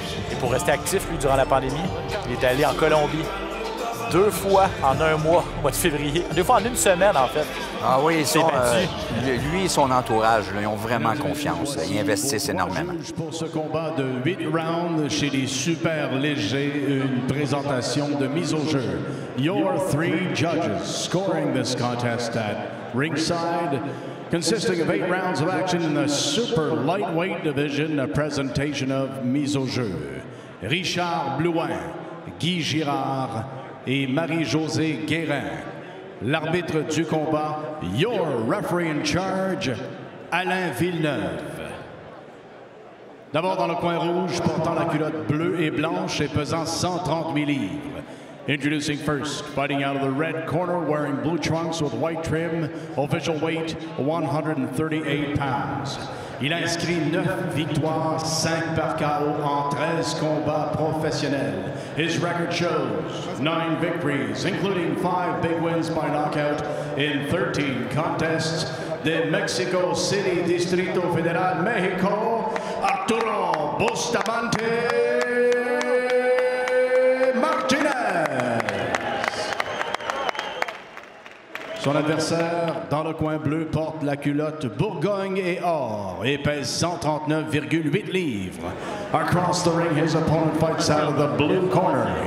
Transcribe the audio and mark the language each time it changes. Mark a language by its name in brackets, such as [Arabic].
[French] Et pour rester actif, lui, durant la pandémie, il est allé en Colombie 2 fois en un mois, au mois de février. 2 fois en une semaine, en fait. Ah oui, lui et son entourage, là, ils ont vraiment confiance. Ils investissent énormément. Pour ce combat de 8 rounds chez les super légers, une présentation de mise au jeu. [English] Your 3 judges scoring this contest at ringside, consisting of 8 rounds of action in the super lightweight division, a presentation of mise au jeu. [French] Richard Blouin, Guy Girard et Marie-Josée Guérin. L'arbitre du combat, [English] your referee in charge, Alain Villeneuve. [French] D'abord dans le coin rouge, portant la culotte bleue et blanche et pesant 130 livres. [English] Introducing first, fighting out of the red corner, wearing blue trunks with white trim, official weight 138 pounds. [French] Il a inscrit 9 victoires, 5 par KO en 13 combats professionnels. [English] His record shows 9 victories, including 5 big wins by knockout in 13 contests. [French] De Mexico City, Distrito Federal, Mexico, Arturo Bustamante Martinez. Son adversaire, dans le coin bleu, porte la culotte Bourgogne et or et pèse 139,8 livres. [English] Across the ring, his opponent fights out of the blue corner.